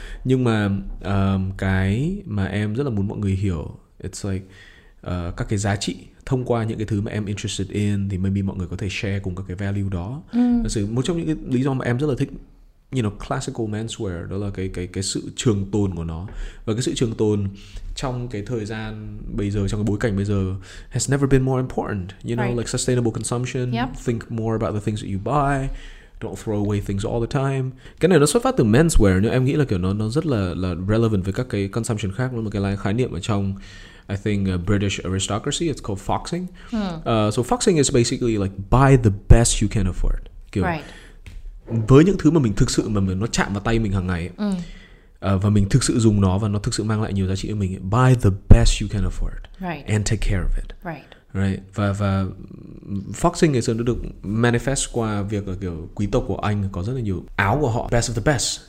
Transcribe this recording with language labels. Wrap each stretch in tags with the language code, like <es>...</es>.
<vi>Nhưng mà cái mà em rất là muốn mọi người hiểu,</vi> <en>it's like</en> <vi>các cái giá trị thông qua những cái thứ mà em</vi> <en>interested in</en> <vi>thì maybe mọi người có thể share cùng các cái value đó. Thật sự một trong những cái lý do mà em rất là thích,</vi> <en>you know, classical menswear,</en> <vi>đó là cái sự trường tồn của nó. Và cái sự trường tồn trong cái thời gian bây giờ, trong cái bối cảnh bây giờ,</vi> <en>has never been more important. You know, right. Like sustainable consumption, yep. Think more about the things that you buy, don't throw away things all the time.</en> <vi>Cái này nó xuất phát từ menswear, nhưng em nghĩ là kiểu nó rất là relevant với các cái consumption khác. Nó là một cái khái niệm ở trong</vi> <en>I think British aristocracy, it's called foxing. So foxing is basically like buy the best you can afford.</en> <vi>Kiểu</vi> <en>right.</en> <vi>Với những thứ mà mình thực sự mà nó chạm vào tay mình hàng ngày ấy, và mình thực sự dùng nó và nó thực sự mang lại nhiều giá trị cho mình ấy,</vi> <en>buy the best you can afford. Right. And take care of it. Right. Right.</en> <vi>Và foxing ngày xưa nó được manifest qua việc là kiểu quý tộc của Anh có rất là nhiều áo của họ,</vi> <en>best of the best.</en>